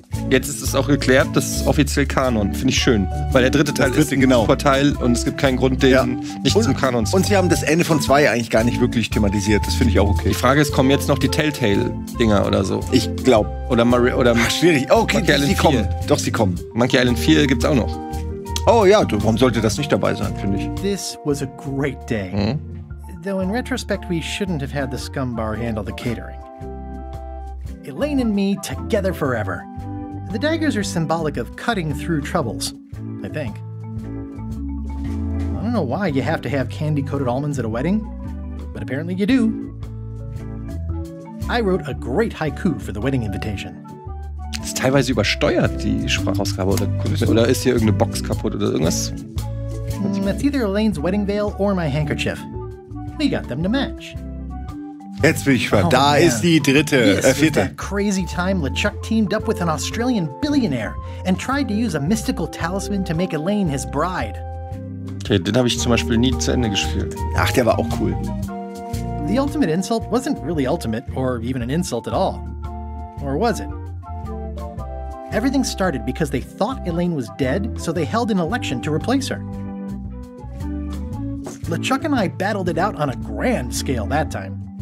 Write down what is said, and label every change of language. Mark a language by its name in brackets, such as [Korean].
[German] Jetzt ist es auch geklärt, das ist offiziell Kanon. Finde ich schön. Weil der dritte Teil ist ein super Teil und es gibt keinen Grund, den nicht zum Kanon zu machen. Und sie haben das Ende von 2 eigentlich gar nicht wirklich thematisiert. Das finde ich auch okay. Die Frage ist, kommen jetzt noch die Telltale-Dinger oder so? Ich glaube. Oder Mario. Oder schwierig. Okay, sie kommen. Doch, sie kommen. Monkey Island 4 gibt es auch noch. Oh ja, warum sollte das nicht dabei sein, finde ich? [English] This was a great day. Hm? Though in retrospect, we shouldn't have had the scumbar handle the catering. Elaine and me together forever. The daggers are symbolic of cutting through troubles, I think. I don't know why you have to have candy-coated almonds at a wedding, but apparently you do. I wrote a great haiku for the wedding invitation. [German] Ist teilweise übersteuert, die Sprachausgabe. Oder ist hier irgendeine Box kaputt oder irgendwas? [English] It's either Elaine's wedding veil or my handkerchief. We got them to match. [German] Jetzt bin ich gespannt. Oh, da man. Ist die dritte, vierte. [English] That crazy time LeChuck teamed up with an Australian billionaire and tried to use a mystical talisman to make Elaine his bride. [German] Okay, den habe ich zum Beispiel nie zu Ende gespielt. Ach, der war auch cool. [English] The ultimate insult wasn't really ultimate or even an insult at all. Or was it? Everything started because they thought Elaine was dead, so they held an election to replace her. LeChuck and I battled it out on a grand scale that time.